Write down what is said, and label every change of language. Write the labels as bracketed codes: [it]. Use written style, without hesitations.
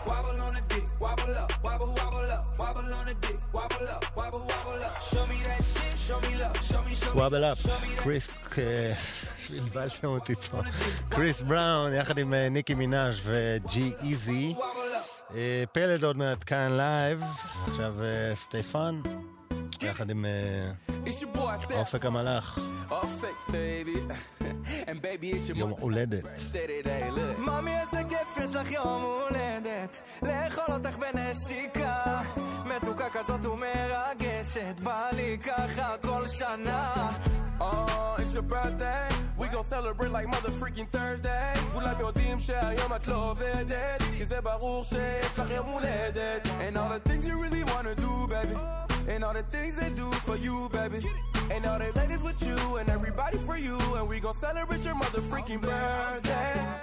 [en] Wobble on the dick, wobble up, wobble, wobble up. Wobble on the dick, wobble up, wobble, wobble up. Show me that shit. [he] וואבל אפ, קריס, שבלבלתם אותי פה, קריס בראון יחד עם ניקי מינאז' וג'י איזי, פלד עוד מעט כאן לייב, עכשיו סטפן, יחד עם אופק המלאך, [en] אופק בייבי, and baby it's your [he] יום הולדת. מאמי איזה כיף יש לך יום הולדת, לאכול אותך בנשיקה, מתוקה כזאת ומרגשת, בא לי ככה כל שנה. [en] Oh, it's your birthday, we gon' celebrate like mother freaking Thursday. [he] כולם יודעים שהיום את לא עובדת, כי זה ברור שיש לך יום הולדת. [en] And all the things you really wanna do, baby, and all the things they do for you, baby, and all the ladies with you, and everybody for you, and we gon' celebrate your mother freaking birthday.